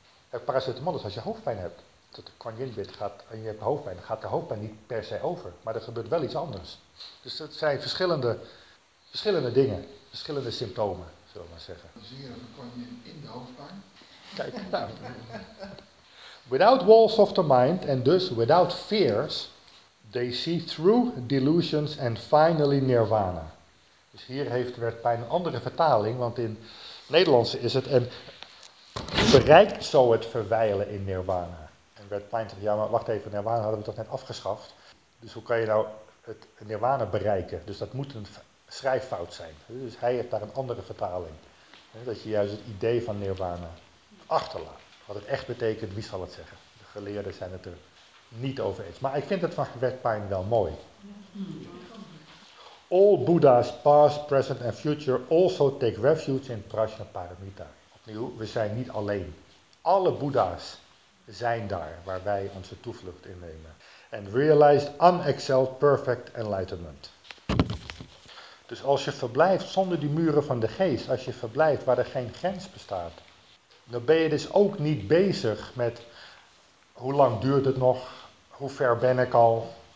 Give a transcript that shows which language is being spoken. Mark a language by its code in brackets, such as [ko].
[nl] En paracetamol is als je hoofdpijn hebt. Dat de Kuan Yin bid gaat en je hebt hoofdpijn, dan gaat de hoofdpijn niet per se over. Maar er gebeurt wel iets anders. Dus dat zijn verschillende dingen, verschillende symptomen, zullen we maar zeggen. Dan zie je een Kuan Yin in de hoofdpijn. Kijk, nou. [en] Without walls of the mind, and thus without fears, they see through delusions and finally nirvana. [nl] Dus hier heeft werd bij een andere vertaling, want in Nederlands is het en bereikt zo het verwijlen in nirvana. En werd pijn zegt, ja maar wacht even, nirvana hadden we toch net afgeschaft. Dus hoe kan je nou het nirvana bereiken? Dus dat moet een schrijffout zijn. Dus hij heeft daar een andere vertaling. Dat je juist het idee van nirvana achterlaat. Wat het echt betekent, wie zal het zeggen? De geleerden zijn het er niet over eens. Maar ik vind het van Wetpijn wel mooi. [en] All Buddha's past, present and future also take refuge in Prajnaparamita. [nl] Opnieuw, we zijn niet alleen. Alle Buddha's zijn daar waar wij onze toevlucht in nemen. [en] And realized unexcelled perfect enlightenment. [nl] Dus als je verblijft zonder die muren van de geest, als je verblijft waar er geen grens bestaat, dan ben je dus ook niet bezig met hoe lang duurt het nog, hoe ver ben ik al,